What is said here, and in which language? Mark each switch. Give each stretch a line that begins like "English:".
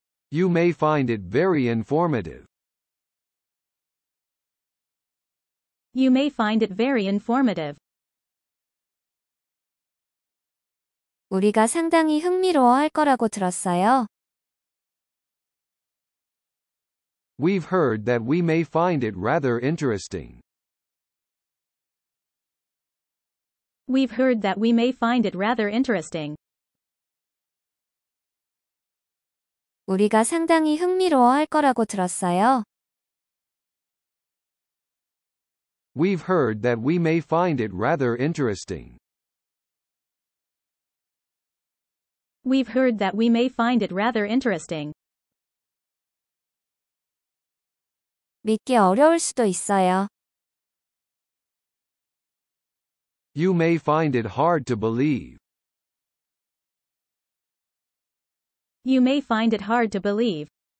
English: You may find it very informative. You may find it very informative.
Korean: 우리가 상당히 흥미로워할 거라고 들었어요.
English: We've heard that we may find it rather interesting. We've heard that we may find it rather interesting.
Korean: 우리가 상당히 흥미로워할 거라고 들었어요.
English: We've heard that we may find it rather interesting. We've heard that we may find it rather interesting.
Korean: 믿기 어려울 수도 있어요.
English: You may find it hard to believe. You may find it hard to believe.